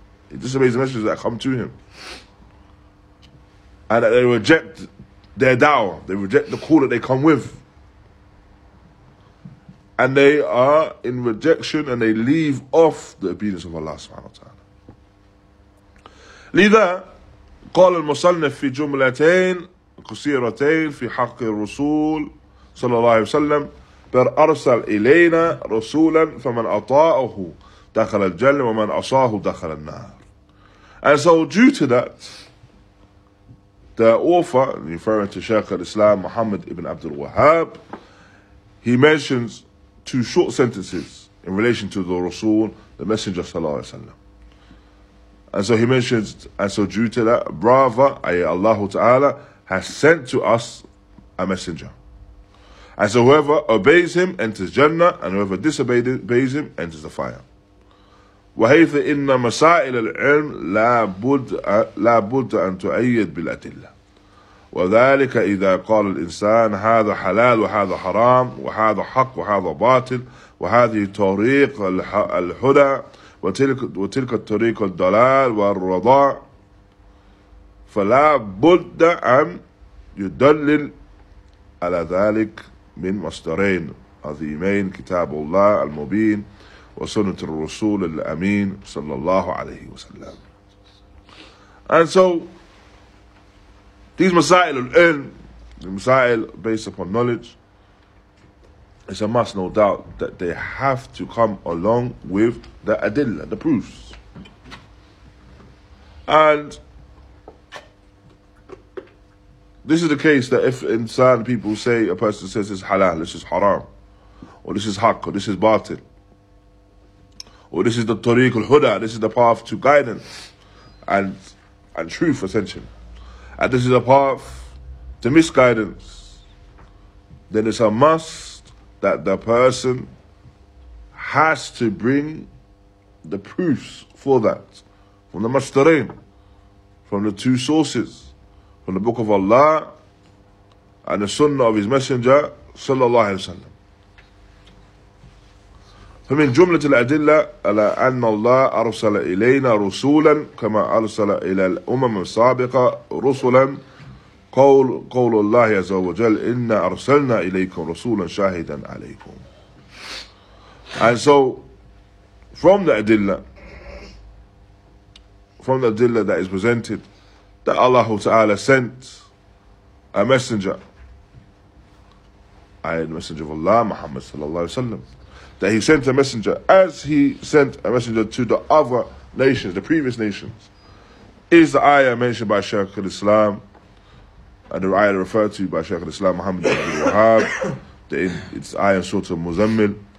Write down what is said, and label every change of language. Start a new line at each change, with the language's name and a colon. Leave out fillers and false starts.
English: He disobeys the messengers that come to him. And that they reject their da'wah. They reject the call that they come with. And they are in rejection and they leave off the obedience of Allah subhanahu wa ta'ala.
Arabic: لذا قال المصنف في جملتين قصيرتين في حق الرسول صلى الله عليه وسلم بأرسل إلينا رسولا فمن أطاعه دخل الجنة ومن أصاه دخل النار.
English: And so due to that, the author, referring to Shaykh al-Islam Muhammad ibn Abdul Wahhab, he mentions two short sentences in relation to the Rasul, the Messenger sallallahu alayhi wa sallam. And so he mentions, and so due to that, Brava, ayya Allah Ta'ala, has sent to us a messenger. And so whoever obeys him enters Jannah, and whoever disobeys him enters the fire.
Arabic: وَهَيْثَ إِنَّ مَسَائِلَ الْعِلْمِ لَا بُدَّ أَن تُعَيَّدْ بِالْأَدِلَّةِ وَذَلِكَ إِذَا قَالَ الْإِنسَانَ هَذَا حَلَالُ وَهَذَا حَرَامُ وَهَذَا حَقُّ وَهَذَا بَاطِلُ وَهَذِهِ طَرِيقُ الْهُدَى وَتِلْكَ طَرِيقُ الضَّلَالِ وَالرَّضَى فَلَا بُدَّ أَن يُدَلِّلْ على ذلك من مصدرين عظيمين كتاب الله المبين وسنة الرسول الأمين صلى الله عليه وسلم.
English: And so these مسائل العلم, the مسائل based upon knowledge, it's a must, no doubt, that they have to come along with the adilla, the proofs. And this is the case that if insan people say, a person says this is halal, this is haram, or this is haq, or this is batil, or this is the tariq al-huda, this is the path to guidance and truth, essentially, and this is a path to misguidance, then it's a must that the person has to bring the proofs for that, from the mashtareen, from the two sources, from the Book of Allah and the Sunnah of His Messenger sallallahu alaihi wasallam.
Arabic: فمن جملة الأدلة على أن الله أرسل إلينا رسولا كما أرسل إلى الأمم السابقة رسلا قول الله عز وجل إنا أرسلنا إليكم رسولا شاهدا عليكم.
English: And so from the Adilla that is presented, that Allah Ta'ala sent a messenger, the messenger of Allah, Muhammad sallallahu alayhi wa sallam, that he sent a messenger, as he sent a messenger to the other nations, the previous nations, is the ayah mentioned by Shaykh al-Islam, and the ayah referred to by Shaykh al-Islam, Muhammad ibn Wahhab, it's ayah Surah al-Muzammil.